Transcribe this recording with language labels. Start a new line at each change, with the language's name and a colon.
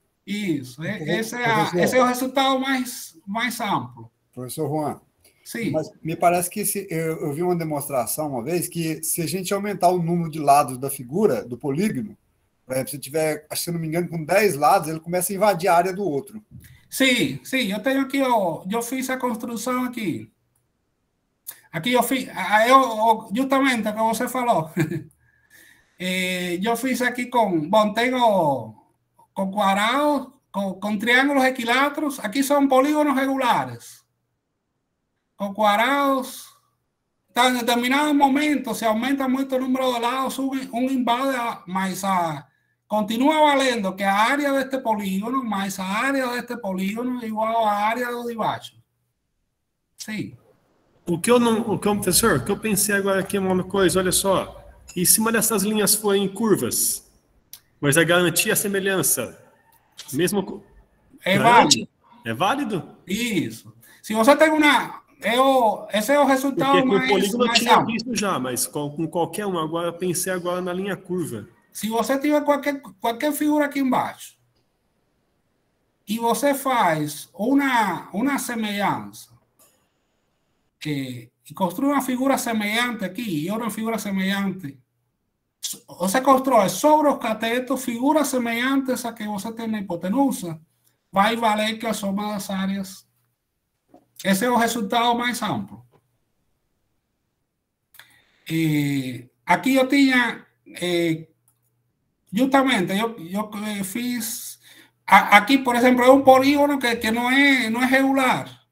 Spanish: Eso, ese es el resultado más amplio. Profesor Juan.
Portuguese: Sim. Mas me parece que eu vi uma demonstração uma vez que se a gente aumentar o número de lados da figura, do polígono, por exemplo, se tiver, se não me engano, com 10 lados, ele começa a invadir a área do outro. Sim, eu tenho aqui, eu fiz a construção aqui. Aqui eu fiz, justamente o que você falou. Eu fiz aqui tenho quadrados, com triângulos equiláteros, aqui são polígonos regulares.
Spanish: Con cuadrados, en determinado momento se aumenta mucho el número de lados, un invade, más continúa valiendo que la área de este polígono, más la área de este polígono, es igual a la área de debajo. Sí.
Portuguese: O que eu não, o que eu, professor, que eu pensei agora aqui é uma coisa, olha só, e se uma dessas linhas for em curvas, mas a garantir a semelhança, mesmo. É válido. É válido? Isso. Se você tem uma. Esse é o resultado mais. O polígono eu tinha visto já, mas com qualquer um, agora eu pensei agora na linha curva. Se você tiver qualquer figura aqui embaixo, e você faz uma semelhança, e constrói uma figura semelhante aqui, e outra figura semelhante, você constrói sobre os catetos figuras semelhantes a que você tem na hipotenusa, vai valer que a soma das áreas.
Spanish: Ese es el resultado más amplio. Aquí yo tenía, justamente, yo
Portuguese: fiz
Spanish: Aquí, por ejemplo, es un polígono que no es regular.